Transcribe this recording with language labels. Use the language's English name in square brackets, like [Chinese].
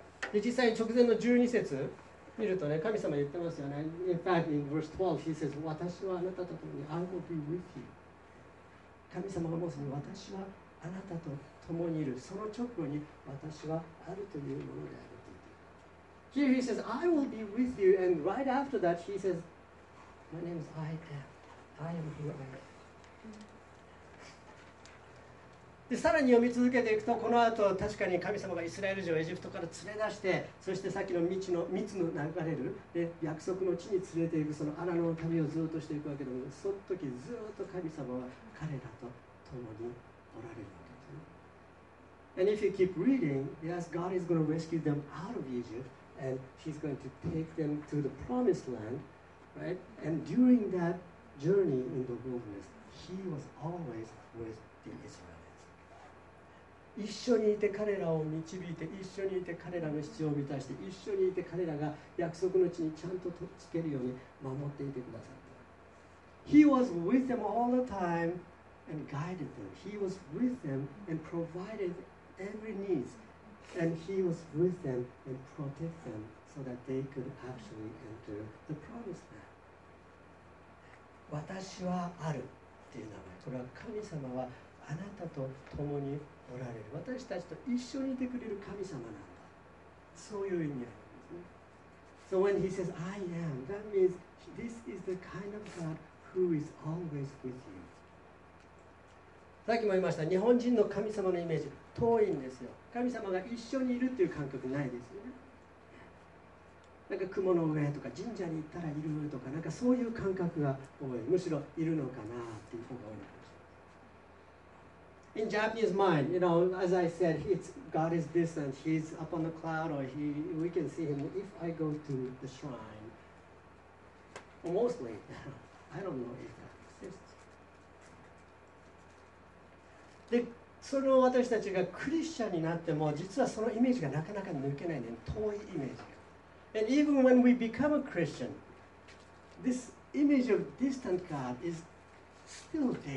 [Japanese] で実際に直前の12節見るとね、神様言ってますよね。 [English] In fact, in verse 12, he says, [Japanese] 私はあなたと共に、 [English] I will be with you. [Japanese] 神様がモーセに、私はあなたと共にいる。その直後に、私はあるというものであると言って。 [English] Here he says, I will be with you. And right after that, he says, My name is I am. I am who I am. [Japanese] でさらに読み続けていくと、この後確かに神様がイスラエル人をエジプトから連れ出して、そしてさっきの道の蜜の流れるで約束の地に連れていく、そのアラノの旅をずっとしていくわけでも、その時ずっと神様は彼らと共におられるわけですね。 [English] And if you keep reading, yes, God is going to rescue them out of Egypt and he's going to take them to the promised land, right? And during that journey in the wilderness, he was always with the Israel. [Japanese] 一緒にいて彼らを導いて、一緒にいて彼らの必要を満たして、一緒にいて彼らが約束の地にちゃんととっつけるように守っていてくださった。 [English] He was with them all the time and guided them. He was with them and provided every needs. And he was with them and protected them so that they could actually enter the promised land. [Japanese] 私はあるっていう名前、これは神様はあなたと共におられる、私たちと一緒にいてくれる神様なんだ、そういう意味あるんですね。 [English] So when he says I am, that means this is the kind of God who is always with you. [Japanese] さっきも言いました、日本人の神様のイメージ遠いんですよ。神様が一緒にいるっていう感覚ないですよね。なんか雲の上とか神社に行ったらいるとか、なんかそういう感覚が多い、むしろいるのかなっていう方が多いのかもしれない。 [English] In Japanese mind, you know, as I said, it's, God is distant, he's up on the cloud, or he, we can see him if I go to the shrine. Mostly, I don't know if that exists. [Japanese] で、その私たちがクリスチャンになっても実はそのイメージがなかなか抜けないね、遠いイメージ。 [English] And even when we become a Christian, this image of distant God is still there, you know.